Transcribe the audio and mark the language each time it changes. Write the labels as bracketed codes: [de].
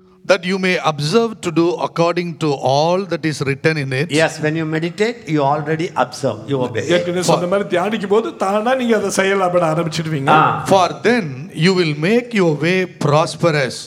[en] that you may observe to do according to all that is written in it yes when you meditate you already observe you obey [ta] சொன்னமே தியானிக்கும் போது தானா நீங்க அதை செயல்பட ஆரம்பிச்சிடுவீங்க [en] for then you will make your way prosperous